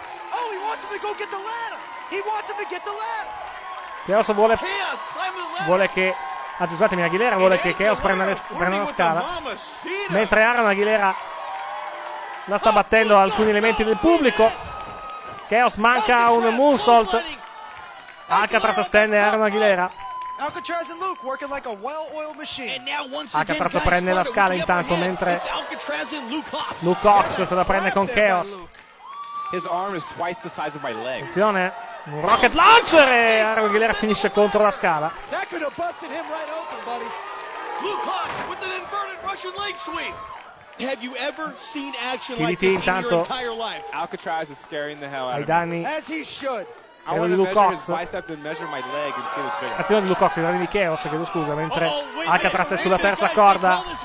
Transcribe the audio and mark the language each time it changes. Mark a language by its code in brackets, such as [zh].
[en] Oh, he wants him to go get the ladder. [it] Chaos vuole, vuole che, anzi scusatemi, Aguilera vuole che Chaos prenda, prenda la scala, mentre Aaron Aguilera la sta battendo a alcuni elementi del pubblico. Chaos manca un moonsault. Alcatraz stende Aaron Aguilera. [en] Alcatraz and Luke working like a well-oiled machine. [it] Alcatraz prende la scala intanto mentre Luke Hawks se la prende con Chaos. [en] His arm is twice the size of my leg. [it] Attenzione, un rocket launcher e Aaron Aguilera finisce contro la scala. [en] That could have busted him right open, buddy. Luke Hawks with an inverted Russian leg sweep. Have you ever seen action like this in your entire life? Alcatraz is scaring the hell out of me. [it] Ai danni. [en] As he should. I want to measure his bicep and measure my leg and see what's bigger. [it] Azione di Luke Hawks, danni di Chaos, chiedo scusa, mentre Alcatraz è sulla terza corda.